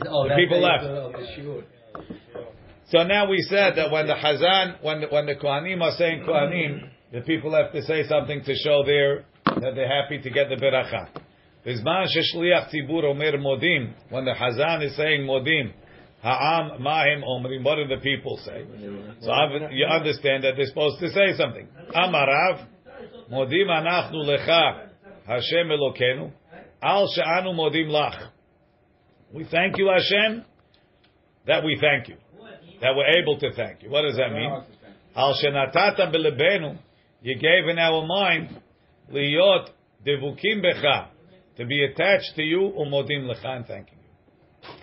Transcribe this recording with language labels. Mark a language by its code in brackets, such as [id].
[en] The people left. So now we said that when the Hazan, when the Kohanim are saying Kohanim, the people have to say something to show there that they're happy to get the Beracha. [he] בזמן ששליח ציבור אומר מודים, [en] when the Hazan is saying מודים, [he] העם, מה הם אומרים, [en] what do the people say? So you understand that they're supposed to say something. [he] אמריו, מודים אנחנו לך, השם אלוקנו, על שאנו מודים לך. [en] We thank you, Hashem, that we thank you, that we're able to thank you. What does that mean? [he] על שנתת בלבנו, [en] you gave in our mind, [he] להיות דבוקים בך, [en] to be attached to you, [he] umodim lecha, [en] and thanking you.